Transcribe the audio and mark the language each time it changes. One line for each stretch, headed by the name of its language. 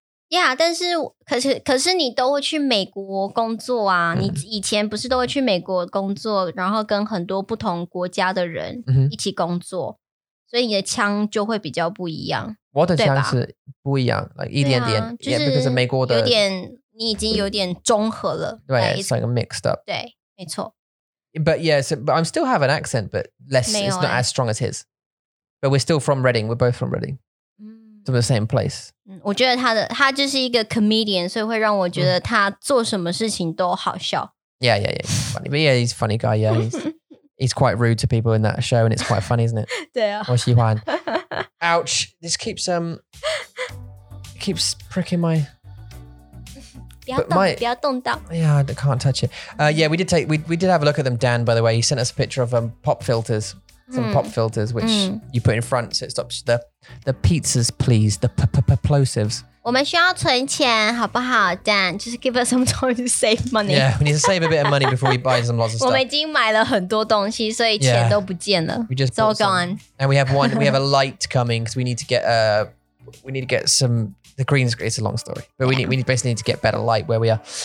Chinese: Yeah, 但是可是你都会去美国工作啊、嗯、你以前不是都会去美国工作然后跟很多不同国家的人一起工作、嗯、所以你的枪就会比较不一样。我的枪是不一样 like, 一点点、啊、就是
English: yeah, because of
Chinese: 美国的。有点你已经有点综合了。
English: 对 it's like a mixed up.
Chinese: 对没错。
English: But yeah, so, but I'm still have an accent, but less,、欸、 it's not as strong as his. But we're still from Reading, we're both from Reading. From the same place.
Chinese: 我觉得他就是一个 comedian, 所以会让我觉得他做什么事情都好笑。
English: Yeah, he's funny. But yeah, he's a funny guy, yeah. He's quite rude to people in that show, and it's quite funny, isn't it?
Chinese: 对啊。我喜欢。
English: Ouch, this keeps pricking my...
Chinese: 不要动, 不要动到。
English: Yeah, I can't touch it. Yeah, we did have a look at them, Dan, by the way. He sent us a picture of pop filters. Some pop filters, which you put in front, so it stops the pizzas, please, the plosives.
Chinese: 我们需要存钱，好不好 ，Dan?
English: Just give us some time to save money. Yeah, we need to save a bit of money before we buy some lots of stuff.
Chinese: 我们已经买了很多东西，所以钱都不见了。
English: We just it's all gone. And we have a light coming because we need to get we need to get some, the green screen, it's a long story, but yeah. we basically need to get better light where we are.